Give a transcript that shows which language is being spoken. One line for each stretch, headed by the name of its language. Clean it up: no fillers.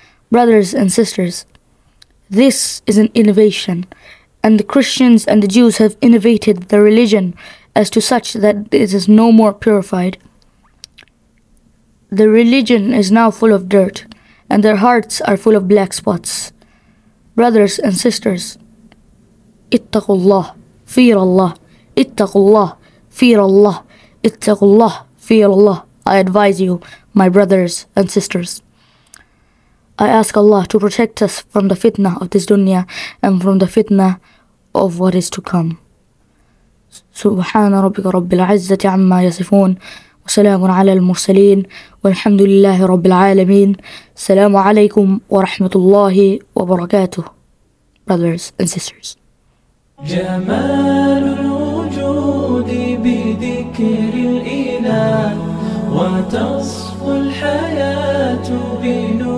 English: Brothers and sisters, this is an innovation. And the Christians and the Jews have innovated the religion as to such that it is no more purified. Their religion is now full of dirt, and their hearts are full of black spots. Brothers and sisters,
Arabic: اتقوا الله فير الله اتقوا الله فير الله اتقوا الله فير الله.
English: I advise you, my brothers and sisters. I ask Allah to protect us from the fitna of this dunya and from the fitna of what is to come.
Arabic: سبحان ربك رب العزة عما يصفون وسلام على المرسلين والحمد لله رب العالمين. السلام عليكم ورحمة الله وبركاته.
English: Brothers and sisters.
Arabic: جمال الوجود بذكر الإله وتصفو الحياة بذكر